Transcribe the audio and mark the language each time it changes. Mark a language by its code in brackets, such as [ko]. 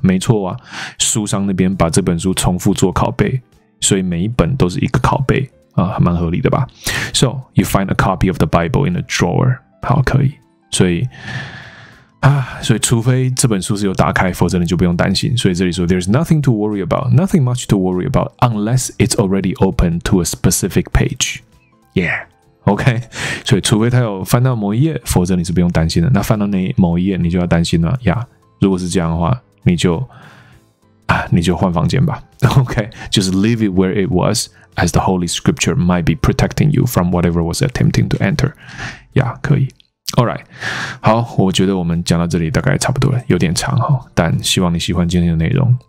[zh] 没错啊，书商那边把这本书重复做拷贝，所以每一本都是一个拷贝啊，还蛮合理的吧。 [en] So you find a copy of the Bible in a drawer，好，可以。 [zh] 所以所以除非这本书是有打开，否则你就不用担心。 [en] 所以这里说 There's nothing to worry about, nothing much to worry about, unless it's already open to a specific page. Yeah, OK. [zh] 所以除非他有翻到某一页，否则你是不用担心的。那翻到那某一页，你就要担心了呀。如果是这样的话，你就换房间吧。 [en] OK, just leave it where it was, as the Holy Scripture might be protecting you from whatever was attempting to enter. Yeah, 可以。 [zh] Alright, 好，我觉得我们讲到这里大概差不多了，有点长，但希望你喜欢今天的内容。